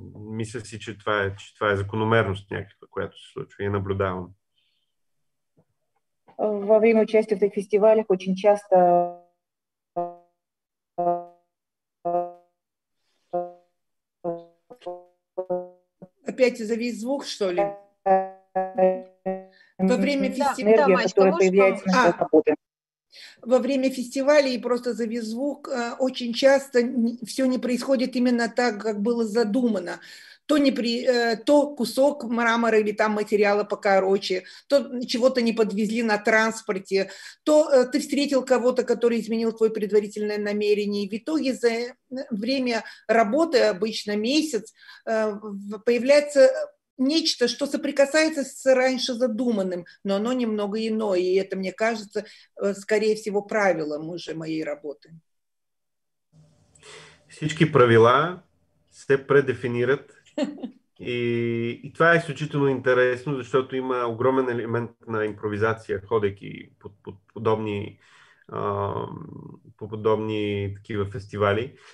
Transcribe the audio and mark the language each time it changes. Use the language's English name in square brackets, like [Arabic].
[Bulgarian] мисля си, че това е закономерност някаква, която се случва. Я наблюдавам. [Russian] Во време участия в таких фестивалях очень часто... Опять завис звук, что ли? Во время фестиваля и просто завис звук, очень часто все не происходит именно так, как было задумано. То кусок мрамора или там материала покороче, то чего-то не подвезли на транспорте, то ты встретил кого-то, который изменил твое предварительное намерение. И в итоге за время работы, обычно месяц, появляется... Нечто, что соприкасается с раньше задуманным, но оно немного иное. И это, мне кажется, скорее всего, правилом уже моей работы. [Bulgarian] Всички правила се предефинират. И това е изключително интересно, защото има огромен елемент на импровизация, ходейки по подобни такива фестивали.